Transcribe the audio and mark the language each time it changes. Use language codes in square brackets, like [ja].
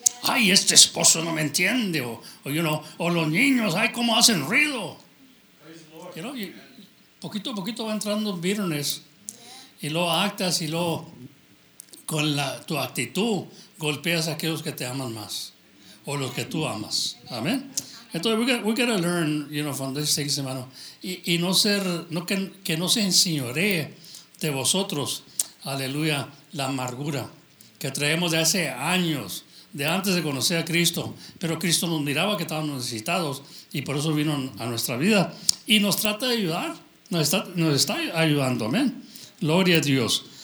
[es] Ay, este esposo no me entiende. O [en] you know, [es] o los niños, ay, cómo hacen ruido. [en] You know, [es] poquito a poquito va entrando bitterness. Y luego actas y luego con tu actitud golpeas a aquellos que te aman más. O los que tú amas. Amén. Entonces, [en] we gotta learn, you know, from these things, hermano. [es] Y no ser, no que no se enseñoree de vosotros, aleluya, la amargura que traemos de hace años, de antes de conocer a Cristo. Pero Cristo nos miraba que estábamos necesitados y por eso vino a nuestra vida. Y nos trata de ayudar, nos está ayudando, amén. Gloria a Dios.